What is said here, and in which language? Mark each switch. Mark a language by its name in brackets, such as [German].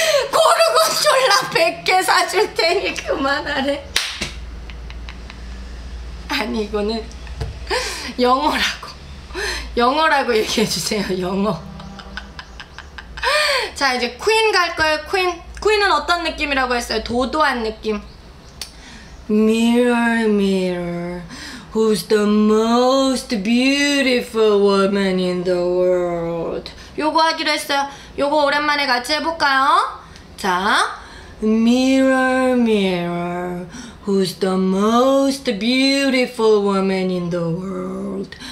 [Korean] 고르곤졸라 100개 사줄 테니 그만하래. 아니, 이거는 영어라고. 영어라고 얘기해 주세요, 영어. 자, 이제 퀸 갈 거예요. 퀸. 퀸은 어떤 느낌이라고 했어요? 도도한 느낌. [English] Mirror, mirror, who's the most beautiful woman in the world? [Korean] 요거 하기로 했어요. 요거 오랜만에 같이 해볼까요? [English] 자, Mirror, mirror, who's the most beautiful woman in the world?